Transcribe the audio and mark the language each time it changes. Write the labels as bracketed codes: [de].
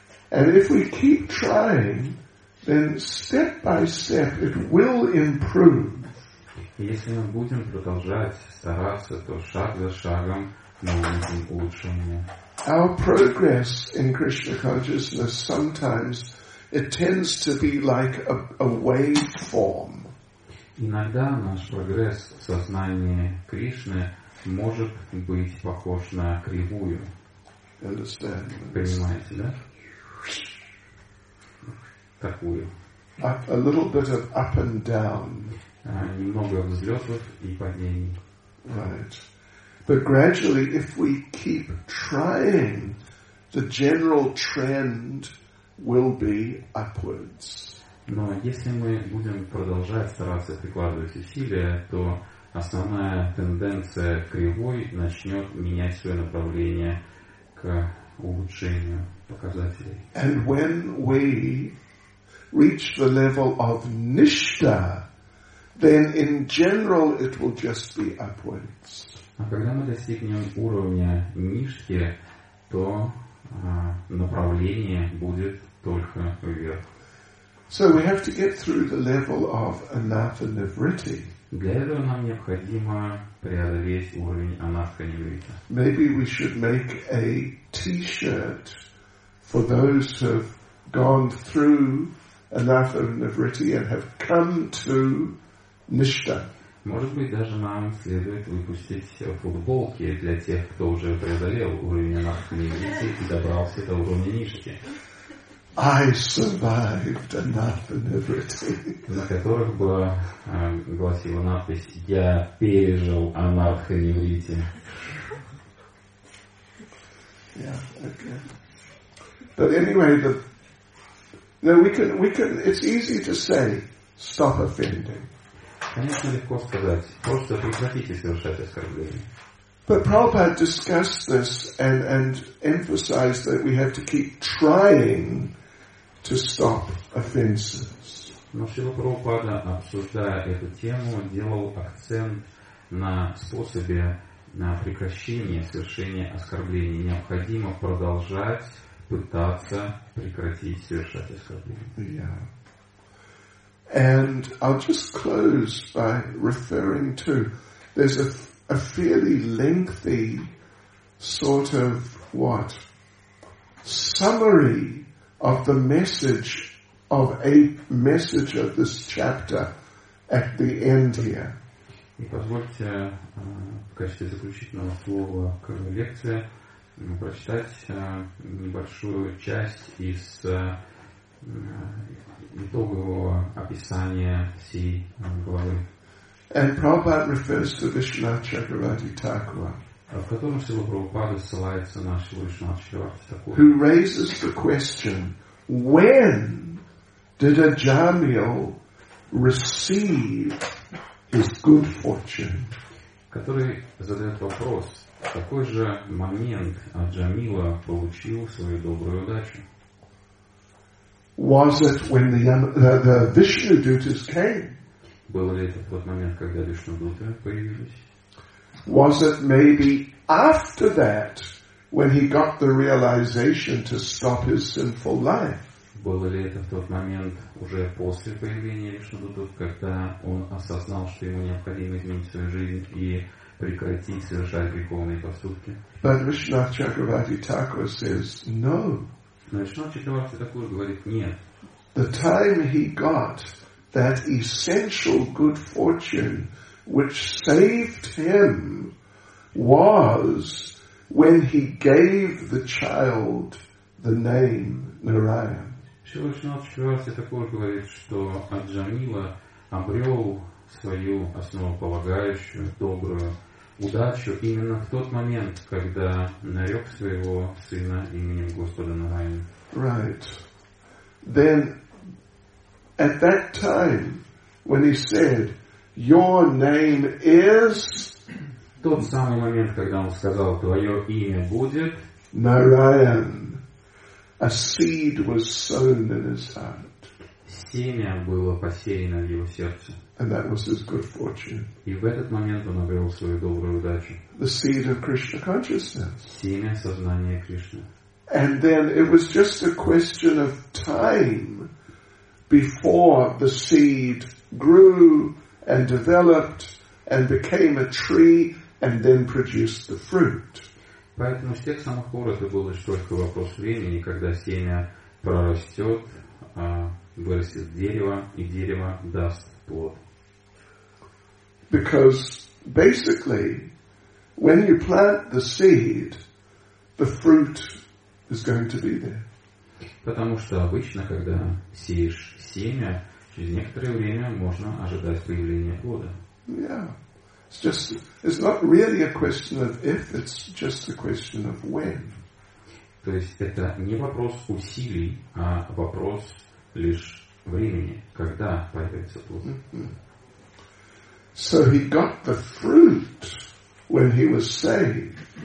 [en] And if we keep trying, then step by step it will improve. [ru] Если мы будем продолжать стараться, то шаг за шагом мы увидим улучшение. [en] Our progress in Krishna consciousness sometimes it tends to be like a waveform. [ru] Иногда наш прогресс в сознании Кришны может быть похож на кривую. [en] Understand. [ru] Понимаете, да? Такую. [en] A little bit of up and down. [ru] Немного взлетов и падений. [en] Right. But gradually, if we keep trying the general trend will be upwards. [ru] Но если мы будем продолжать стараться прикладывать усилия, то основная тенденция кривой начнет менять свое направление к улучшению показателей. [en] And when we reach the level of nishta, then in general it will just be upwards. [ru] А когда мы достигнем уровня ништхи, то направление будет только вверх. [en] So we have to get through the level of anatta nivritti. [ru] Для этого нам необходимо преодолеть уровень анатта нивритти. [en] Maybe we should make a t-shirt for those who have gone through anatta nivritti and have come to nishta. [ru] Может быть, даже нам следует выпустить футболки для тех, кто уже преодолел уровень анатта нивритти и добрался до уровня нишки. [en] I survived anatta nivritti. [ru] На которых была гласила надпись: «Я пережил анатта нивритти». [en] Yeah, okay. But anyway, we can. It's easy to say, stop offending. [ru] Конечно, легко сказать. Просто прекратите совершать оскорбления. [en] But Prabhupada discussed this and emphasized that we have to keep trying to stop offenses. [ru] Но Шрила Прабхупада, обсуждая эту тему, делал акцент на способе на прекращение совершения оскорблений. Необходимо продолжать пытаться прекратить совершать оскорбления. [en] Yeah. And I'll just close by referring to there's a fairly lengthy sort of what summary of the message of a message of this chapter at the end here. [ru] И позвольте в качестве заключительного слова к лекции прочитать небольшую часть из итогового описания всей главы. [en] And Prabhupada refers to Vishnu Chakravarti Thakura. [ru] В котором Шрила Прабхупада ссылается на Шрилу Вишнава Чакраварти Такура. [en] Who raises the question, when did Ajamil receive his good fortune? [ru] Который задает вопрос, в какой же момент Аджамила получил свою добрую удачу? [en] Was it when the Vishnu Dutas came? [ru] Было ли это в тот момент, когда Вишну Дуты появились? [en] Was it maybe after that, when he got the realization to stop his sinful life? [ru] Было ли это в тот момент уже после появления Вишнудутов, когда он осознал, что ему необходимо изменить свою жизнь и прекратить совершать греховные поступки? [en] But Vishnath Chakravarti Thakur says no. [ru] Но Вишнав Чакраварти Такур говорит нет. [en] The time he got that essential good fortune which saved him was when he gave the child the name Narayan. [ru] Шрила Вишнава Чакраварти Такур говорит, что Аджамила обрел свою основополагающую добрую удачу именно в тот момент, когда нарек своего сына именем Господа Нараяна. [en] Right. Then, at that time, when he said, your name is... [ru] Тот самый момент, когда он сказал, твое имя будет... [en] Narayan. A seed was sown in his heart. [ru] Семя было посеяно в его сердце. [en] And that was his good fortune. [ru] И в этот момент он обрел свою добрую удачу. [en] The seed of Krishna consciousness. [ru] Семя сознания Кришны. [en] And then it was just a question of time before the seed grew and developed and became a tree and then produced the fruit. [ru] Поэтому с тех самых пор это был лишь только вопрос времени, когда семя прорастет, вырастет дерево, и дерево даст плод. [en] Because basically, when you plant the seed, the fruit is going to be there. [ru] Потому что обычно, когда сеешь семя, через некоторое время можно ожидать появления плода. [en] Yeah. It's not really a question of if, it's just a question of when. [ru] То есть это не вопрос усилий, а вопрос лишь времени, когда появится плод. [en] So he got the fruit when he was saved.